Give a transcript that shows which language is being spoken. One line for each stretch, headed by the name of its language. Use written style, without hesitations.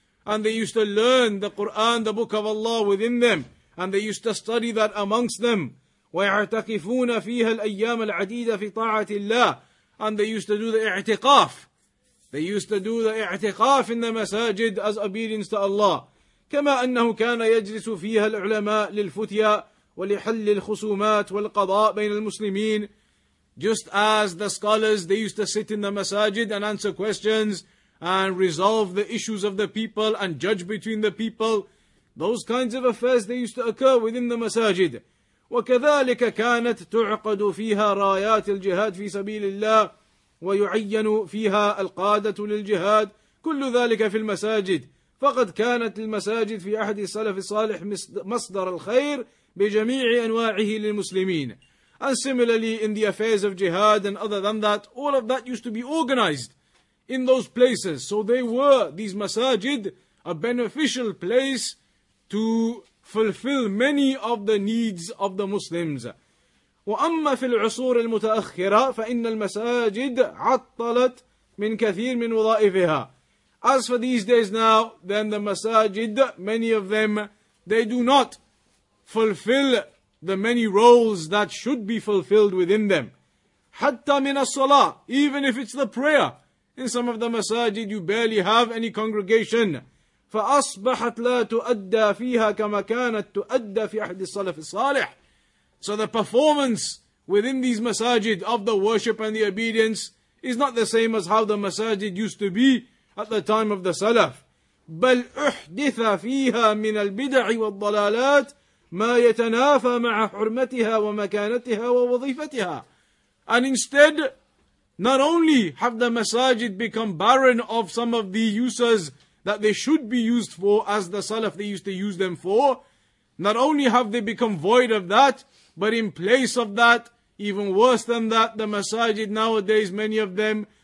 English: And they used to learn the Qur'an, the book of Allah within them. And they used to study that amongst them.
Arabic: وَيَعْتَكِفُونَ فِيهَا الْأَيَّامَ الْعَدِيدَ فِي طَاعَةِ اللَّهِ.
English: And they used to do the i'tiqaf. They used to do the i'tiqaf in the masajid as obedience to Allah.
Arabic: كما أنه كان يجلس فيها العلماء للفتية ولحل الخصومات والقضاء بين المسلمين.
English: Just as the scholars, they used to sit in the masajid and answer questions and resolve the issues of the people and judge between the people. Those kinds of affairs, they used to occur within the masajid.
Arabic: وكذلك كانت تعقد فيها رايات الجهاد في سبيل الله ويعين فيها القادة للجهاد كل ذلك في المساجد فقد كانت المساجد في عهد السلف الصالح مصدر الخير بجميع أنواعه للمسلمين.
English: And similarly in the affairs of jihad and other than that, all of that used to be organized in those places. So they were, these masajid, a beneficial place to fulfill many of the needs of the Muslims.
Arabic: وأما في العصور المتأخرة فإن المساجد عطلت من كثير من وظائفها.
English: As for these days now, then the masajid, many of them, they do not fulfill the many roles that should be fulfilled within them.
Arabic: حتى من الصلاة,
English: even if it's the prayer. In some of the masajid, you barely have any congregation.
Arabic: فأصبحت لا تؤدى فيها كما كانت تؤدى في عهد السلف الصالح.
English: So the performance within these masajid of the worship and the obedience is not the same as how the masajid used to be at the time of the Salaf.
Arabic: بل أحدث فيها من البدع والضلالات ما يتنافى مع حرمتها ومكانتها ووظيفتها.
English: And instead, not only have the masajid become barren of some of the uses that they should be used for as the Salaf they used to use them for, not only have they become void of that, but in place of that, even worse than that, the masajid nowadays, many of them,